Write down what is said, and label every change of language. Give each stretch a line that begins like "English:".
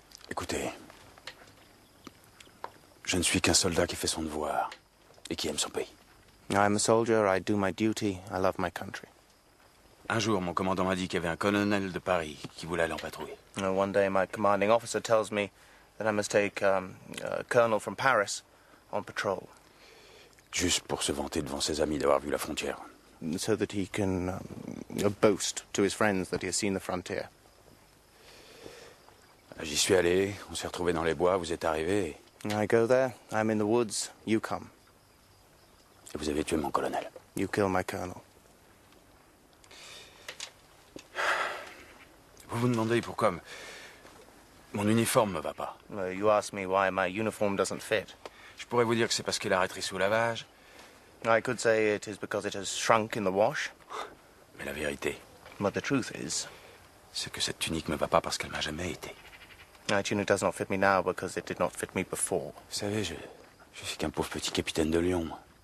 French: Écoutez, je ne suis qu'un soldat qui fait son devoir. Qui aime son pays.
English: I am a soldier, I do my duty, I love my country.
French: Un jour, mon commandant m'a dit qu'il y avait un colonel de Paris qui voulait aller en patrouille.
English: And one day, my commanding officer tells me that I must take a colonel from Paris on patrol.
French: Juste pour se vanter devant ses amis d'avoir vu la frontière.
English: So that he can boast to his friends that he has seen the frontier.
French: J'y suis allé, on s'est retrouvé dans les bois, vous êtes arrivé.
English: I go there, I'm in the woods, you come.
French: Et vous avez tué mon colonel.
English: You killed my colonel.
French: Vous vous demandez pourquoi mon uniforme ne va pas.
English: You ask me why my uniform doesn't fit.
French: Je pourrais vous dire que c'est parce qu'il a rétréci sous lavage.
English: I could say it is because it has shrunk in the wash.
French: Mais la vérité.
English: But the truth is.
French: C'est que cette tunique ne me va pas parce qu'elle m'a jamais été.
English: My tunic does not fit me now because it did not fit me before.
French: Vous savez, je suis qu'un pauvre petit capitaine de Lyon, moi.